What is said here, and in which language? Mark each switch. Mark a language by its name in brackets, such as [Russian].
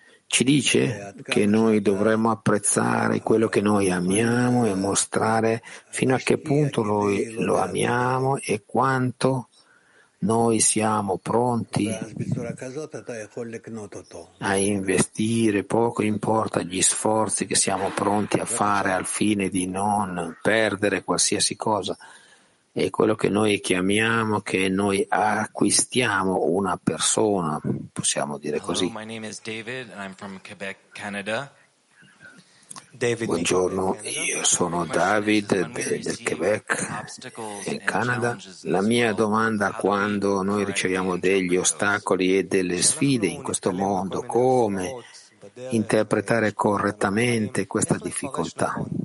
[Italian] ci dice che noi dovremmo apprezzare quello che noi amiamo e mostrare fino a che punto noi lo amiamo e quanto noi siamo pronti a investire, poco importa gli sforzi che siamo pronti a fare al fine di non perdere qualsiasi cosa. E quello che noi chiamiamo, che noi acquistiamo una persona, possiamo dire così. [English] Hello, my name is David and I'm from Quebec, Canada. David. [Italian] Buongiorno, io sono David del Quebec, in Canada. La mia domanda: quando noi riceviamo degli ostacoli e delle sfide in questo mondo, come interpretare correttamente questa difficoltà?